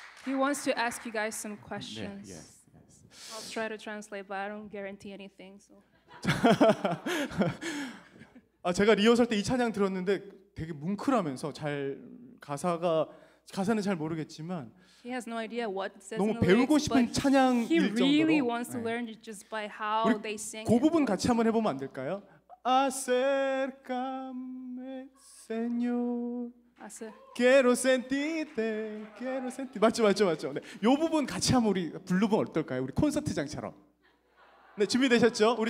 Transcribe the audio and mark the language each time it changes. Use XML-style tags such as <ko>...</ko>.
<en>He wants to ask you guys some questions. 네, yes, yes. I'll try to translate, but I don't guarantee anything. So.</en> <ko>아, 제가 리허설 때 이 찬양 들었는데 되게 뭉클하면서 잘 가사는 잘 모르겠지만.</ko> <en>He has no idea what it says.</en> <ko>너무 배우고 싶은 찬양일 정도로.</ko> <en>He really wants to learn it just by how they sing.</en> <ko>그 부분 같이 한번 해보면 안 될까요?</ko> <es>Acércame, Señor. Quiero sentirte, quiero sentir.</es> <ko>맞죠, 맞죠, 맞죠. 네, 요 부분 같이 한번 우리 불러보면 어떨까요? 우리 콘서트장처럼. 네, 준비되셨죠? 우리</ko>